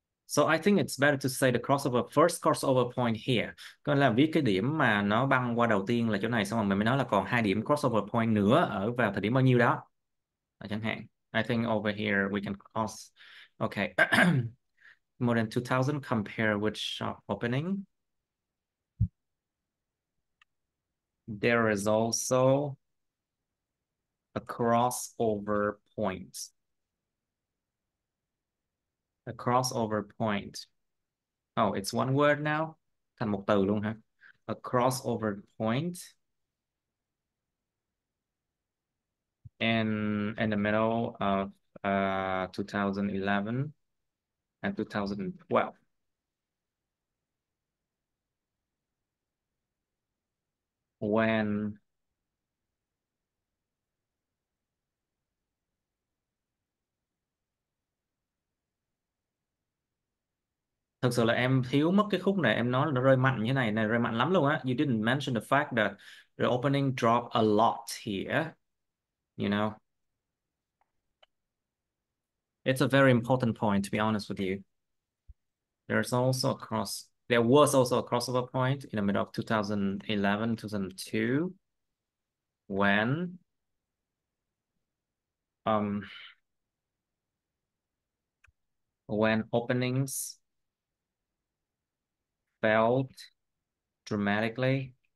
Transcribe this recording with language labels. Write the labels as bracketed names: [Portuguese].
[English] So I think it's better to say the crossover first crossover point here. [Vietnamese] Có là viết cái điểm mà nó băng qua đầu tiên là chỗ này, xong rồi mình mới nói là còn hai điểm crossover point nữa ở vào thời điểm bao nhiêu đó. Chẳng hạn, [English] I think over here we can cross. Okay. More than 2000 compare with shop opening. There is also a crossover point. A crossover point. Oh, it's one word now. [Vietnamese] Thành một từ luôn hả? [English] A crossover point. In the middle of 2011 and 2012. [Vietnamese] When thực sự là em thiếu mất cái khúc này, em nói là nó rơi mạnh như thế này, này rơi mạnh lắm luôn á. [English] You didn't mention the fact that the opening dropped a lot here. You know? It's a very important point, to be honest with you. There was also a crossover point in the middle of 2011, 2002, when openings felt dramatically.